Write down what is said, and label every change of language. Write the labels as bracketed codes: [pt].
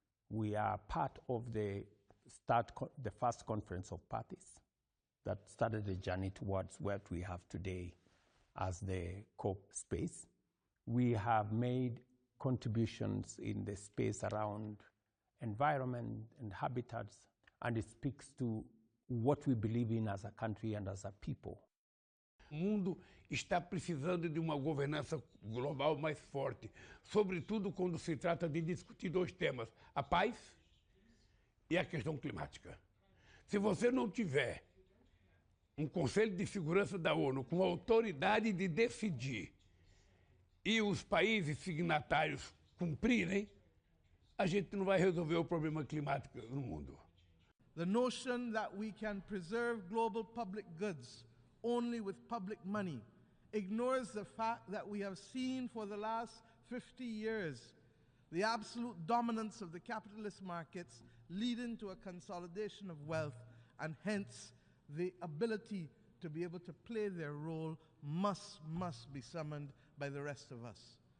[en] We are part of the first conference of parties that started the journey towards what we have today as the COP space. We have made contributions in the space around environment and habitats, and it speaks to what we believe in as a country and as a people. [pt] O mundo está precisando de uma governança global mais forte, sobretudo quando se trata de discutir dois temas, a paz e a questão climática. Se você não tiver um Conselho de Segurança da ONU com autoridade de decidir e os países signatários cumprirem, a gente não vai resolver o problema climático no mundo. [en] The notion that we can preserve global public goods only with public money, ignores the fact that we have seen for the last 50 years the absolute dominance of the capitalist markets leading to a consolidation of wealth, and hence the ability to be able to play their role must be summoned by the rest of us.